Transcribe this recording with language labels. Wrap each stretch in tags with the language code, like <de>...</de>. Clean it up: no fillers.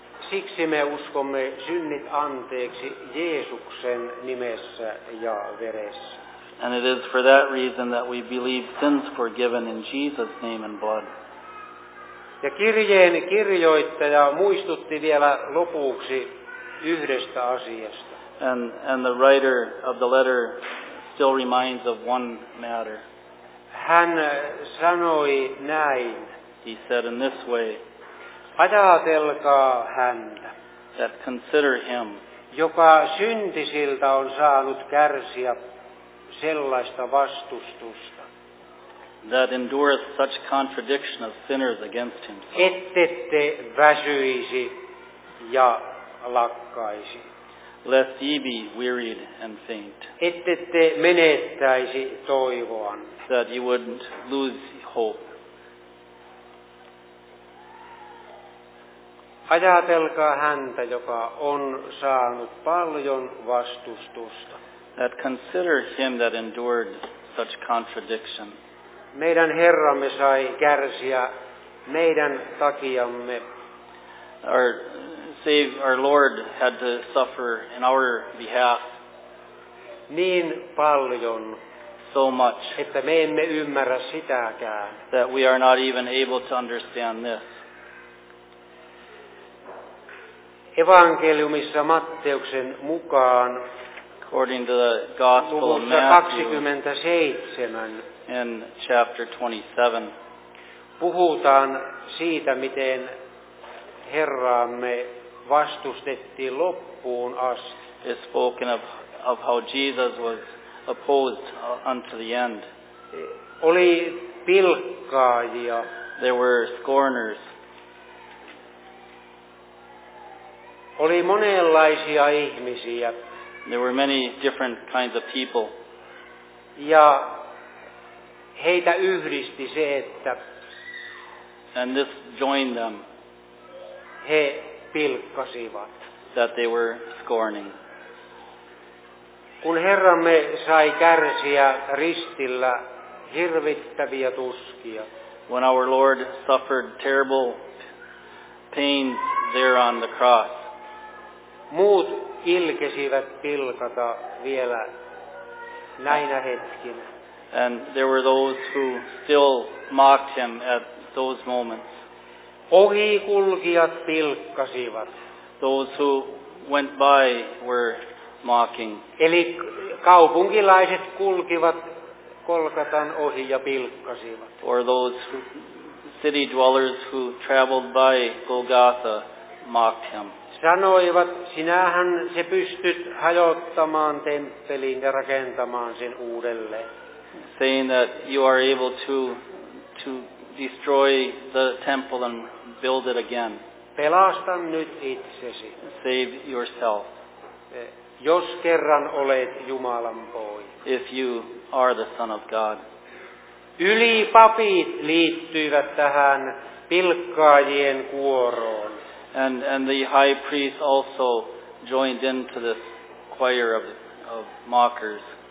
<fi>Siksi me uskomme synnit anteeksi Jeesuksen nimessä ja veressä.</fi> <en>And it is for that reason that we believe sins forgiven in Jesus' name and blood.</en> <fi>Ja kirjeen kirjoittaja muistutti vielä lopuksi yhdestä asiasta.</fi> <en>And the writer of the letter still reminds of one matter.</en> <fi>Hän sanoi näin.</fi> <en>He said in this way.</en> <fi>Ajatelkaa häntä.</fi> <en>That consider him.</en> <fi>Joka syntisiltä on saanut kärsiä sellaista vastustusta.</fi> <en>That endureth such contradiction of sinners against himself.</en> <fi>Ettette väsyisi ja lakkaisi.</fi> <en>Lest ye be wearied and faint.</en> <fi>Ettette menettäisi toivoan.</fi> <en>That you wouldn't lose hope.</en> <fi>Ajatelkaa häntä, joka on saanut paljon vastustusta.</fi> <en>That consider him that endured such contradiction.</en> <fi>Meidän Herramme sai kärsiä meidän takiamme.</fi> <en>Our Lord had to suffer in our behalf.</en> <fi>Niin paljon.</fi> <en>So much.</en> <fi>Että me emme ymmärrä sitäkään.</fi> <en>That we are not even able to understand this.</en> <fi>Evankeliumissa Matteuksen mukaan.</fi> <en>According to the Gospel of Matthew.</en> <fi>27.</fi> <en>In chapter 27.</en> <fi>Puhutaan siitä, miten Herraamme vastustettiin loppuun asti.</fi> <en>It's spoken of how Jesus was opposed unto the end.</en> <fi>Oli pilkkaajia.</fi> <en>There were scorners.</en> <fi>Oli monenlaisia ihmisiä.</fi> <en>There were many different kinds of people.</en> <fi>Ja heitä yhdisti se, että</fi> <en>and this joined them.</en> <fi>He pilkkasivat.</fi> <en>That they were scorning.</en> <fi>Kun Herramme sai kärsiä ristillä hirvittäviä tuskia.</fi> <en>When our Lord suffered terrible pains there on the cross.</en> <fi>Muut ilkesivät pilkata vielä näinä hetkinä.</fi> <en>And there were those who still mocked him at those moments.</en> <fi>Ohikulkijat pilkkasivat.</fi> <en>Those who went by were mocking.</en> <fi>Eli kaupunkilaiset kulkivat Kolkatan ohi ja pilkkasivat.</fi> <en>Or those city dwellers who traveled by Golgotha mocked him.</en> <fi>Sanoivat, sinähän se pystyt hajottamaan temppelin ja rakentamaan sen uudelleen.</fi> <en>Saying that you are able to destroy the temple and build it again.</en> <fi>Pelasta nyt itsesi.</fi> <en>Save yourself.</en> <fi>Jos kerran olet Jumalan poika.</fi> <en>If you are the Son of God.</en> <fi>Ylipapit liittyivät tähän pilkkaajien kuoroon.</fi> <en>And the high priest also joined into this choir of mockers.</en>